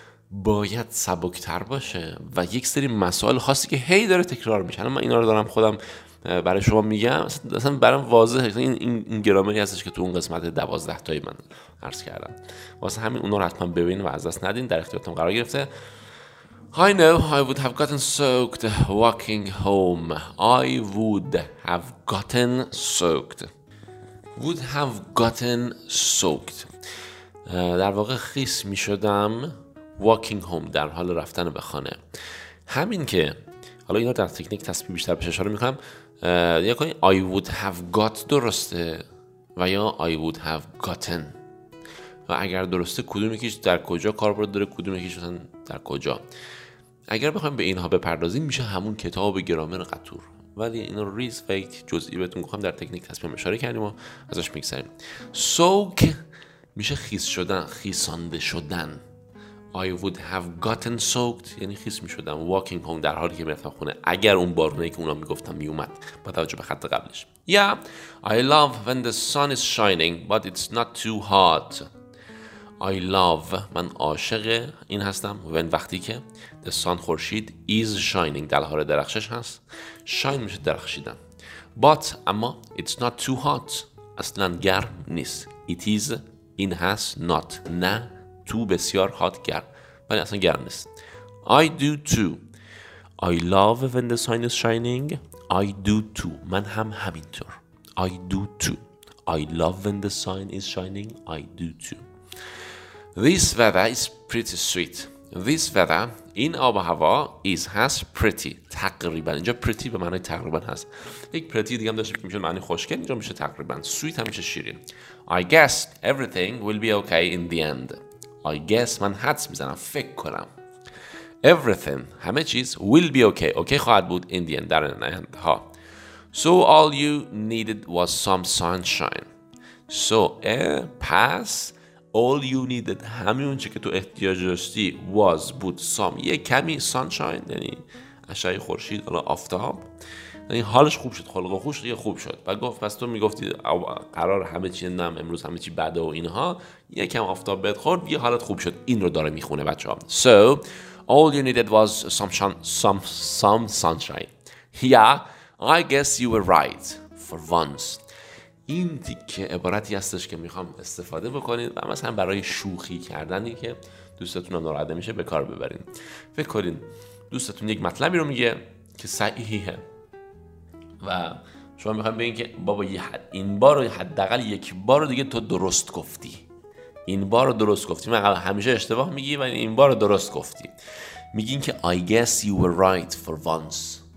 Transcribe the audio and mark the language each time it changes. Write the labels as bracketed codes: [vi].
[fa] باید سبکتر باشه و یک سری مسائل خاصی که هی داره تکرار میشه، من اینا رو دارم خودم برای شما میگم، اصلا برام واضحه این گرامری هستش که تو اون قسمت 12 تایی من عرض کردم، واسه همین اونا رو حتما ببینید و از دست ندین، در اختیارتون قرار گرفته. [en] I know I would have gotten soaked walking home. I would have gotten soaked. Would have gotten soaked. [fa] در واقع خیس میشدم [en] walking home، [fa] در حال رفتن به خانه. همین که حالا اینا در تکنیک تسبیح بیشتر پیش اشاره میکنم، یکی [en] I would have got [fa] درسته و یا [en] I would have gotten، [fa] و اگر درسته کدوم یکیش در کجا کاربرد داره، کدوم یکیش مثلا در کجا. اگر بخوایم به اینها بپردازیم میشه همون کتاب گرامر قطور، ولی اینا رو ریز و یک جزئی بهتون گفتم در تکنیک تسبیح اشاره کردیم و ازش میگذریم. soak میشه خیس شدن، خیسانده شدن. [en] I would have gotten soaked [fa] یعنی خیس می شدم [en] walking home [fa] در حالی که میرفتم خونه، اگر اون بارونه‌ای که اونا می گفتم می اومد با توجه به خط قبلش. [en] Yeah, I love when the sun is shining but it's not too hot. I love، [fa] من عاشق این هستم، when وقتی که [en] the sun، [fa] خورشید، [en] is shining، [fa] در حال درخشش هست، shine میشه درخشیدن، but اما [en] it's not too hot، [fa] اصلا گرم نیست، [en] it is، [fa] این هست، not، نه، تو بسیار هات، گرم، ولی اصلا گرم نیست. [en] I do too. I love when the sun is shining. I do too. [fa] من هم همینطور. [en] I do too. I love when the sun is shining. I do too. This weather is pretty sweet. This weather، [fa] این آب و هوا، is، هست، pretty، تقریبا، اینجا pretty به معنی تقریبا هست. یک pretty دیگه هم داشته که میشه معنی خوشگل، اینجا میشه تقریبا. Sweet همیشه شیرین. [en] I guess everything will be okay in the end. I guess، [fa] من حدس میزنم، فکر کنم. Everything، همه چیز، [en] will be okay، [fa] okay خواهد بود، [en] in the end، [fa] در انتها. [en] So all you needed was some sunshine. [fa] So پس [en] all you needed، [fa] همه اون چه که تو احتیاج داشتی، was، بود، some، یه کمی sunshine، یعنی اشعه خورشید، حالا آفتاب، یعنی حالش خوب شد، خلق خوش دیگه خوب شد. بعد گفت پس تو میگفتی قرار همه چی نم، امروز همه چی بده و اینها، یکم آفتاب بهت خورد، یه حالت خوب شد. این رو داره میخونه بچه‌ها. [en] So all you needed was some sunshine. Yeah, I guess you were right for once. [fa] این تیکه عبارتی هستش که میخوام استفاده بکنید و مثلا برای شوخی کردنی که دوستتون ناراحت میشه به کار ببرین. فکر کنین دوستتون یک مطلبی رو میگه که صحیحه و شما میخواییم بگیم که بابا این بار حداقل یک بار دیگه تو درست گفتی، این بار درست گفتی، من همیشه اشتباه میگی و این بار درست گفتی، میگین که [en] I guess you were right for once.